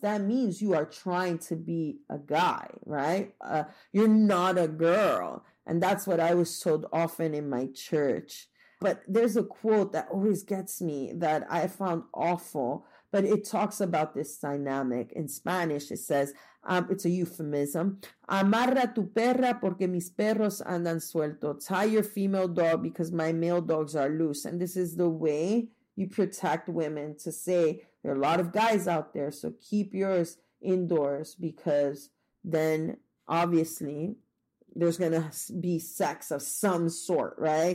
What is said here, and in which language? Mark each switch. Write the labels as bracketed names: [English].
[English] That means you are trying to be a guy, right? You're not a girl. And that's what I was told often in my church. But there's a quote that always gets me that I found awful, but it talks about this dynamic. In Spanish, it says, it's a euphemism. [Spanish] Amarra tu perra porque mis perros andan suelto. [English] Tie your female dog because my male dogs are loose. And this is the way you protect women, to say there are a lot of guys out there, so keep yours indoors, because then obviously there's going to be sex of some sort, right?